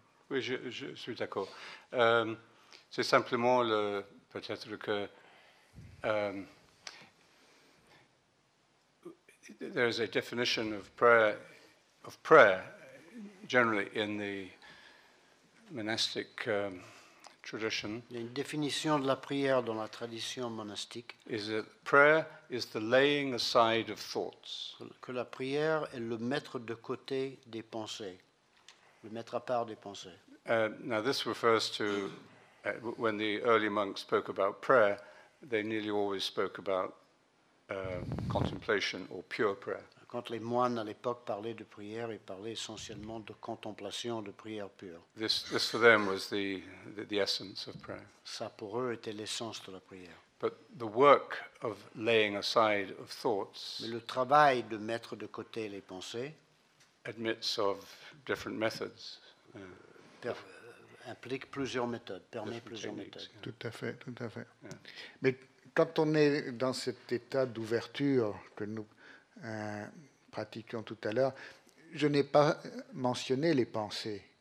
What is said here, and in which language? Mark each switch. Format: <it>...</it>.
<fr>Oui, je suis d'accord. C'est simplement peut-être que</fr> <en>there is a definition of prayer generally in the monastic tradition.</en> <fr>Il y a une définition de la prière dans la tradition monastique.</fr> <en>Is that prayer is the laying aside of thoughts.</en> <fr>Que la prière est le mettre de côté des pensées, le mettre à part des pensées.</fr> <en>Now this refers to when the early monks spoke about prayer, they nearly always spoke about contemplation or pure prayer.</en> <fr>Quand les moines à l'époque parlaient de prière, ils parlaient essentiellement de contemplation, de prière pure.</fr> <en>This for them was the essence of prayer.</en> <fr>Ça pour eux était l'essence de la prière.</fr> <en>But the work of laying aside of thoughts.</en> <fr>Mais le travail de mettre de côté les pensées.</fr> <en>Admits of different methods.</en> <fr>Implique plusieurs méthodes, permet plusieurs méthodes. Tout à fait, tout à fait. Yeah. Mais quand on est dans cet état d'ouverture que nous pratiquions tout à l'heure, je n'ai pas mentionné les pensées.</fr>